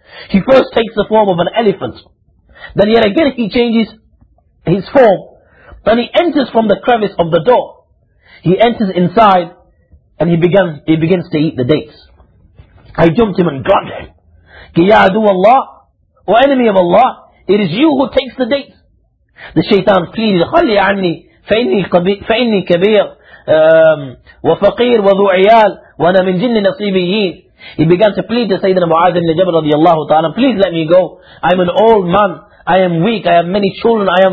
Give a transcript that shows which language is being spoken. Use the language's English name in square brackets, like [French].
[English] He first takes the form of an elephant. Then yet again he changes his form. Then he enters from the crevice of the door. He enters inside and he begins to eat the dates. I jumped him and grabbed him. Ya adu Allah, O enemy of Allah, it is you who takes the dates. The shaitan pleaded, [Arabic] خلي عني فإني كبير وفقير وذو عيال وأنا من جن نصيبيين. [English] He began to plead to Sayyidina Mu'adh ibn Jabal radiallahu ta'ala, please let me go. I am an old man. I am weak. I have many children.